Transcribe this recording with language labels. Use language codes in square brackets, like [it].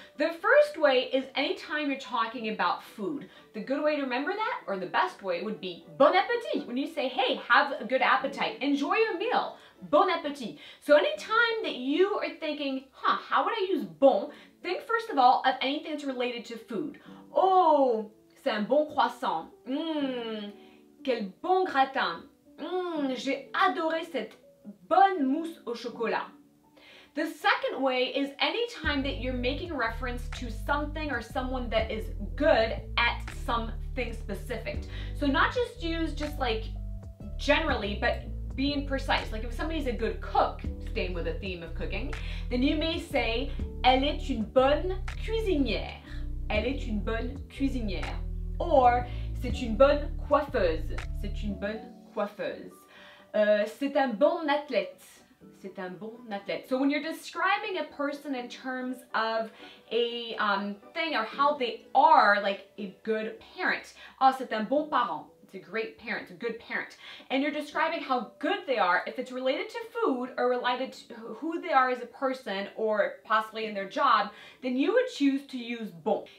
[en] The first way is anytime you're talking about food. The good way to remember that, or the best way, would be bon appétit. When you say, hey, have a good appetite, enjoy your meal, bon appétit. So anytime that you are thinking, huh, how would I use bon? Think first of all of anything that's related to food. [fr] Oh, c'est un bon croissant. Quel bon gratin. J'ai adoré cette bonne mousse au chocolat. [en] The second way is anytime that you're making reference to something or someone that is good at something specific. So not just use just like generally, but being precise. Like if somebody's a good cook, staying with the theme of cooking, then you may say, [fr] elle est une bonne cuisinière. Elle est une bonne cuisinière. Or, c'est une bonne coiffeuse. C'est une bonne coiffeuse. C'est un bon athlète. C'est un bon athlète. [en] So when you're describing a person in terms of a thing or how they are, like a good parent. Oh, [fr] c'est un bon parent. [en] It's a great parent, a good parent. And you're describing how good they are, if it's related to food or related to who they are as a person or possibly in their job, then you would choose to use bon.